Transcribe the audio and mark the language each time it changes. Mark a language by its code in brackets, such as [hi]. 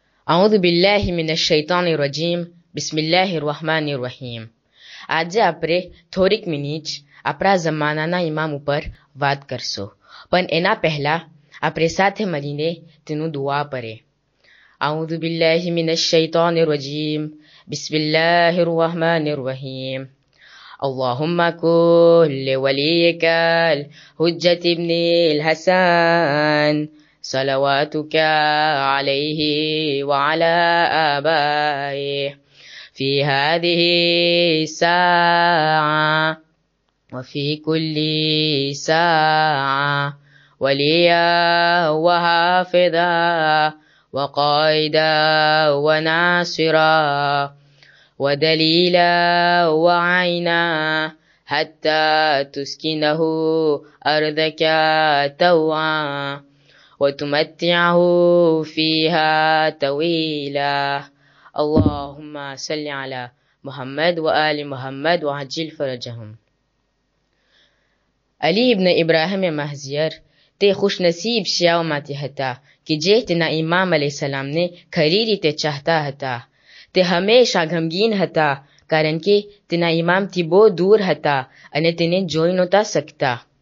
[ar] أعوذ بالله من الشيطان الرجيم. بسم الله الرحمن الرحيم. [gu] آج આપણે થોડીક મિનિટ આપણા જમાનાના ઇમામ ઉપર વાત કરશું, પણ એના પહેલા આપણે સાથે મળીને તેનું દુઆ પડે. [ar] أعوذ بالله من الشيطان الرجيم. بسم الله الرحمن الرحيم. اللهم كل وليك الحجة ابن الحسن صلواتك عليه وعلى آبائه في هذه الساعة وفي كل ساعة وليا وحافظا وقائدا وناصرا ودليلا وعينا حتى تسكنه أرضك طوعا وتمتعه فيها طويلا. اللهم صل على محمد وآل محمد وعجل فرجهم. [gu] علي ابن ابراهيم مهزير તે ખુશનસીબ શિયાઓમાંથી હતા કે જે તેના ઇમામ અલી સલામને ખરી રીતે ચાહતા હતા. તે હંમેશા ગમગીન હતા કારણ કે તેના ઇમામથી બહુ દૂર હતા અને તેને જોઈ નહોતા શકતા.